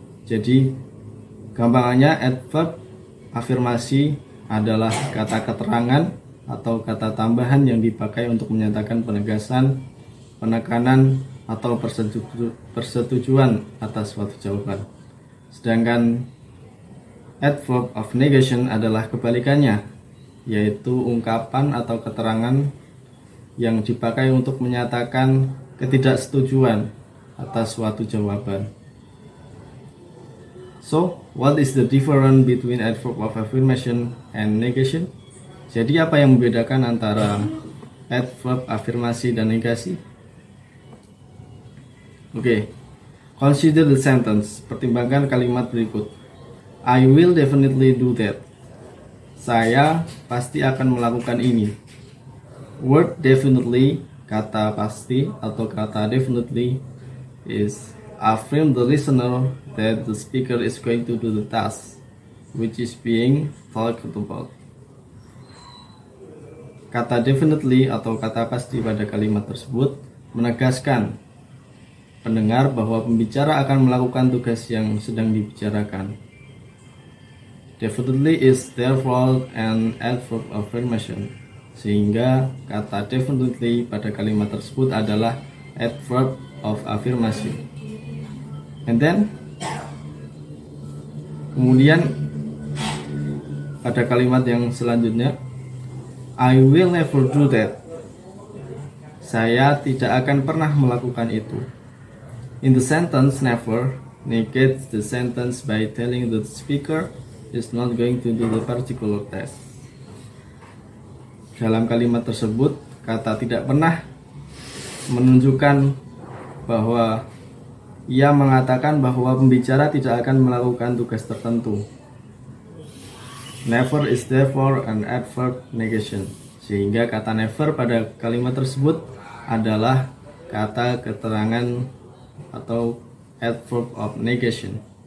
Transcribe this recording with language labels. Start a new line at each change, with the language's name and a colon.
Indonesian: Jadi, gampangannya adverb afirmasi adalah kata keterangan atau kata tambahan yang dipakai untuk menyatakan penegasan, penekanan, atau persetujuan atas suatu jawaban. Sedangkan adverb of negation adalah kebalikannya, yaitu ungkapan atau keterangan yang dipakai untuk menyatakan ketidaksetujuan atas suatu jawaban.
English: So, what is the difference between adverb of affirmation and negation?
Indonesian: Jadi apa yang membedakan antara adverb afirmasi dan negasi?
English: Okay, consider the sentence.
Indonesian: Pertimbangkan kalimat berikut.
English: I will definitely do that.
Indonesian: Saya pasti akan melakukan ini.
English: Word definitely,
Indonesian: kata pasti atau kata definitely,
English: is affirm the listener that the speaker is going to do the task which is being talked about.
Indonesian: Kata definitely atau kata pasti pada kalimat tersebut menegaskan pendengar bahwa pembicara akan melakukan tugas yang sedang dibicarakan.
English: Definitely is therefore an adverb of affirmation.
Indonesian: Sehingga kata definitely pada kalimat tersebut adalah adverb of affirmation.
English: And then,
Indonesian: kemudian pada kalimat yang selanjutnya,
English: I will never do that.
Indonesian: Saya tidak akan pernah melakukan itu.
English: In the sentence, never negates the sentence by telling the speaker is not going to do the particular test.
Indonesian: Dalam kalimat tersebut, kata tidak pernah menunjukkan bahwa ia mengatakan bahwa pembicara tidak akan melakukan tugas tertentu.
English: Never is therefore an adverb negation.
Indonesian: Sehingga kata never pada kalimat tersebut adalah kata keterangan atau adverb of negation.